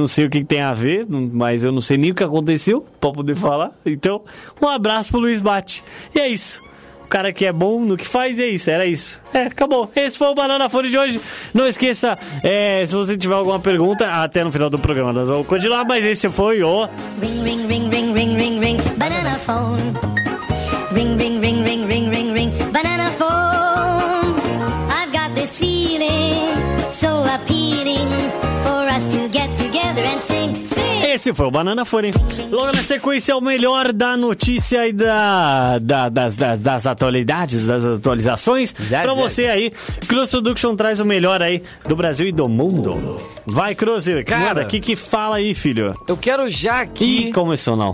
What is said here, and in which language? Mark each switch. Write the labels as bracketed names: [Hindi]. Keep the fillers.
[Portuguese] não sei o que, que tem a ver, mas eu não sei nem o que aconteceu pra poder uhum. falar. Então, um abraço pro Luiz Bate. E é isso cara que é bom no que faz e é isso, era isso. É, acabou. Esse foi o Banana Fone de hoje. Não esqueça, é, se você tiver alguma pergunta, até no final do programa nós vamos lá mas esse foi o. Oh... [English] Ring, ring, ring, ring, ring, ring, ring, banana phone. Ring, ring, ring, ring, ring, ring, ring, banana phone. I've got this feeling so appealing for us to get to. [Portuguese] Esse foi o Banana forem Logo na sequência, o melhor da notícia e da, da das, das, das, atualidades, das atualizações. Para você zé. aí, Cruz Production traz o melhor aí do Brasil e do mundo. Oh, Vai, Cruz, cara, o que, que fala aí, filho? Eu quero já aqui. Ih, começou não.